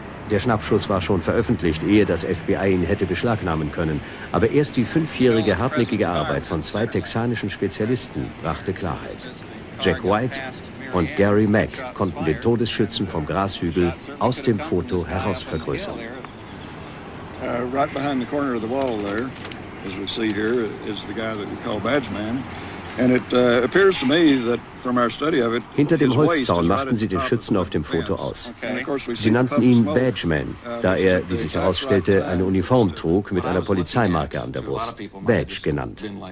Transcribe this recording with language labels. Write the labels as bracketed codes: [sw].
[de] Der Schnappschuss war schon veröffentlicht, ehe das FBI ihn hätte beschlagnahmen können. Aber erst die fünfjährige hartnäckige Arbeit von zwei texanischen Spezialisten brachte Klarheit. Jack White und Gary Mack konnten den Todesschützen vom Grashügel aus dem Foto heraus vergrößern. [en] Right behind the corner of the wall there, as we see here, is the guy that we call Badge Man. And it appears to me that from our study of it, [de] hinter dem Holzzaun machten sie den Schützen auf dem Foto aus. Sie nannten ihn Badge Man, da er, wie sich herausstellte, eine Uniform trug mit einer Polizeimarke an der Brust. Badge genannt.